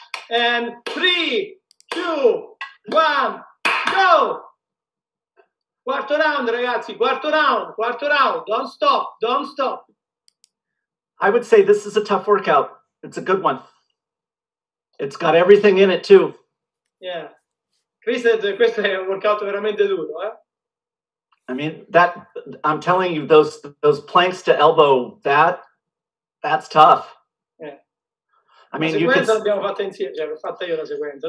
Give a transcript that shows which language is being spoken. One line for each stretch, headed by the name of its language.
English: And 3, 2, 1, go!
Italian: Quarto round, ragazzi, quarto round.
English: Don't stop. I would say this is a tough workout. It's a good one. It's got everything in it, too. Yeah.
Italian: Chris said questo è un workout veramente duro, eh?
English: I mean, that, I'm telling you, those planks to elbow, that's tough. Yeah. I mean,
Italian: la sequenza l'abbiamo fatta insieme, cioè, l'ho fatta io la sequenza.